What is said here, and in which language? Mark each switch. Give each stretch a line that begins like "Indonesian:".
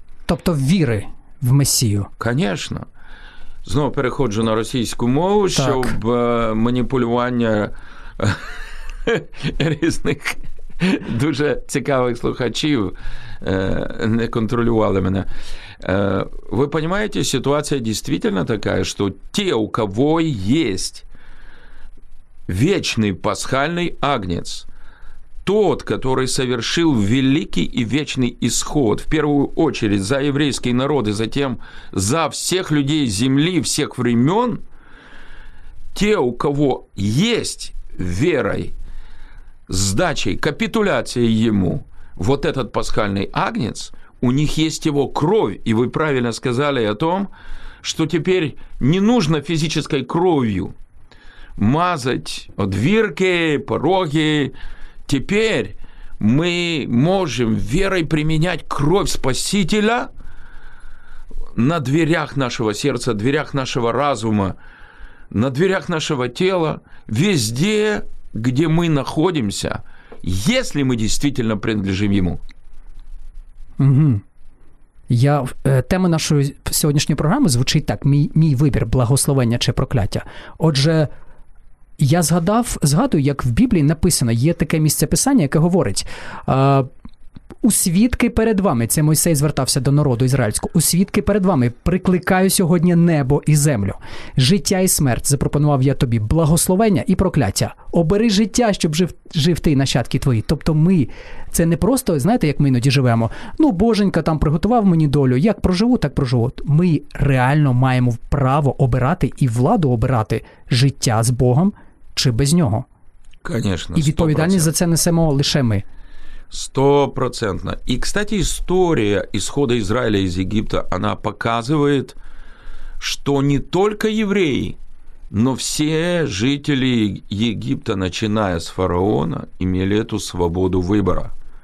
Ukrainian: Тобто віри в Месію. Звісно. Знову переходжу на російську мову, так, щоб маніпулювання різних дуже цікавих слухачів не контролювали мене. Ви розумієте, ситуація дійсно така, що ті, у кого є вічний пасхальний агнец,
Russian: тот, который совершил великий и вечный исход, в первую очередь за еврейский народ и затем за всех людей земли всех времен, те, у кого есть верой, сдачей, капитуляцией ему, вот этот пасхальный агнец, у них есть его кровь, и вы правильно сказали о том, что теперь не нужно физической кровью мазать одвірки, пороги. Теперь мы можем верой применять кровь Спасителя на дверях нашего сердца, дверях нашего разума, на дверях нашего тела, везде, где мы находимся, если мы действительно принадлежим Ему. Угу.
Ukrainian: Я, тема нашої сьогоднішньої програми звучить так. Мій вибір – благословення чи прокляття. Отже, я згадую, як в Біблії написано, є таке місце писання, яке говорить, у свідки перед вами, це Мойсей звертався до народу ізраїльського, у свідки перед вами прикликаю сьогодні небо і землю, життя і смерть запропонував я тобі, благословення і прокляття, обери життя, щоб жив ти і нащадки твої. Тобто ми, це не просто, знаєте, як ми іноді живемо, ну, Боженька там приготував мені долю, як проживу, так проживу. Ми реально маємо право обирати і владу обирати життя з Богом чи без нього.
Russian: Конечно,
Ukrainian: і відповідальність 100%. За це несемо лише ми. 100%.
Russian: И, кстати, история исхода Израиля из Египта, она показывает, что не только евреи, но все жители Египта, начиная с фараона, имели эту свободу выбора.